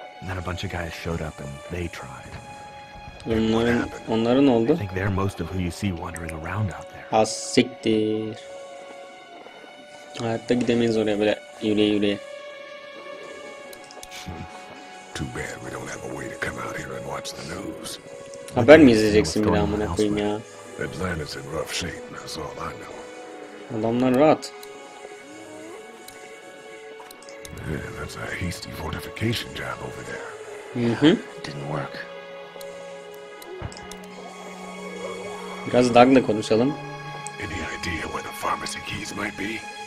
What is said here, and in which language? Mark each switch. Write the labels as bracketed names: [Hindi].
[English] Then a bunch of guys showed up and they tried. [Turkish] Onların oldu. [English] I think they're most of who you see wandering around out there. [Turkish] Ah, siktir. Hayatta gidemeyiz oraya böyle yürüye yürüye. [English] Too bad we don't have a way to come out here and watch the news. [Turkish] Haber mi izleyeceksin bir daha amına koyayım ya? [English] Atlanta's in rough shape, that's all I know. [Turkish] Adamlar rahat. [English] Yeah, that's a hasty fortification job over there. Didn't work. [Turkish] Biraz Doug'la konuşalım. [English] Any idea where the pharmacy keys might be?